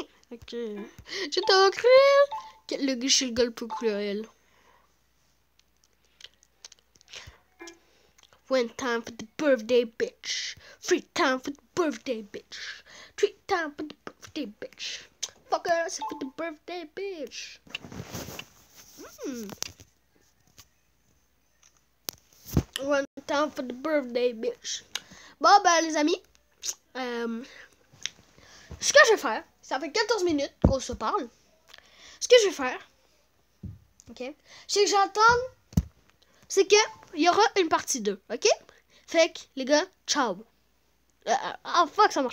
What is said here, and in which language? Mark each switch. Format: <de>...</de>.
<fr>Ok. Je t'en crie. Quel le gars, je suis le gars le plus cruel.</fr> <en>One time for the birthday, bitch. Three time for the birthday, bitch. Three time for the birthday, bitch. Fuck us for the birthday, bitch. One time for the birthday, bitch.</en> <fr>Bon, ben, les amis, ce que je vais faire, ça fait 14 minutes qu'on se parle. Ce que je vais faire, ok, c'est que j'attends, c'est que il y aura une partie 2, ok? Fait que, les gars, ciao. Oh, fuck, ça marche.</fr>